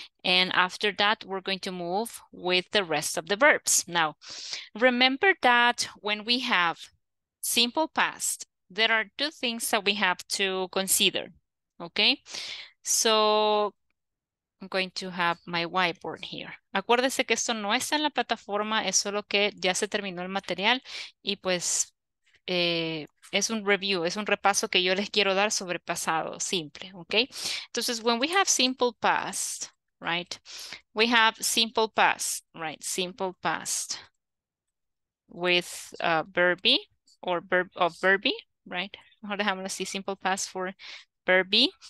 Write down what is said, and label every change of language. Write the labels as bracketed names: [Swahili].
[English] And after that, we're going to move with the rest of the verbs. Now, remember that when we have simple past, there are two things that we have to consider, okay? So I'm going to have my whiteboard here. [Spanish] Acuérdese que esto no está en la plataforma, es solo que ya se terminó el material y pues es un review, es un repaso que yo les quiero dar sobre pasado simple, okay? [English] Entonces, when we have simple past, right? We have simple past, right? Simple past with verb be or verb of verb be. Right? [Spanish] Mejor dejámoslo así, [English] simple past for verb be.